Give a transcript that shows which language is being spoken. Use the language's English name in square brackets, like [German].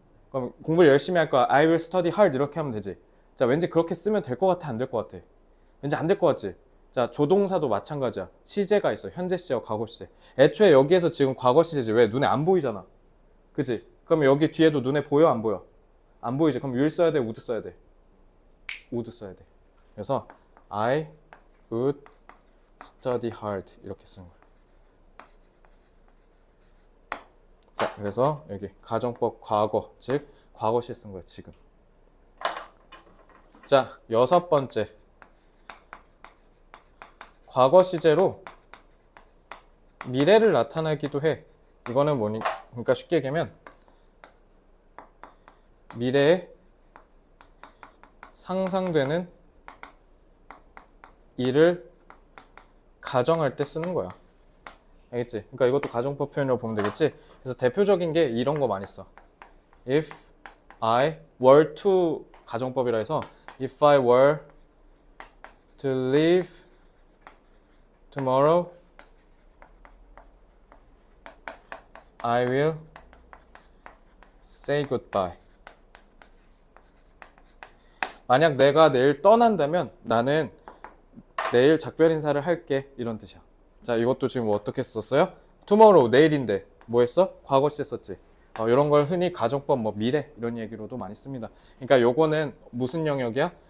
[Korean] 그럼 공부를 열심히 할 거야. [English] I will study hard. [Korean] 이렇게 하면 되지. 자, 왠지 그렇게 쓰면 될것 같아? 안될것 같아? 왠지 안될것 같지? 자, 자, 조동사도 마찬가지야. 시제가 있어. 현재 시제와 과거 시제. 애초에 여기에서 지금 과거 시제지. 왜? 눈에 안 보이잖아. 그치? 그럼 여기 뒤에도 눈에 보여? 안 보여? 안 보이지? 그럼 will 써야 돼? would 써야 돼? would 써야 돼. 그래서 [English] I would study hard. [Korean] 이렇게 쓰는 거야. 자, 그래서 여기 가정법 과거. 즉, 과거 시제 쓴 거야. 지금. 자, 여섯 번째. 과거 시제로 미래를 나타내기도 해. 이거는 뭐니? 그러니까 쉽게 얘기하면 미래에 상상되는 일을 가정할 때 쓰는 거야. 알겠지? 그러니까 이것도 가정법 표현으로 보면 되겠지? 그래서 대표적인 게 이런 거 많이 써. [English] If I were to [Korean] 가정법이라 해서 [English] If I were to live tomorrow, I will say goodbye. [Korean] 만약 내가 내일 떠난다면 나는 내일 작별 인사를 할게. 이런 뜻이야. 자, 이것도 지금 어떻게 썼어요? Tomorrow, 내일인데. 뭐 했어? 과거 시제 썼지. 이런 걸 흔히 가정법, 뭐 미래 이런 얘기로도 많이 씁니다. 그러니까 요거는 무슨 영역이야?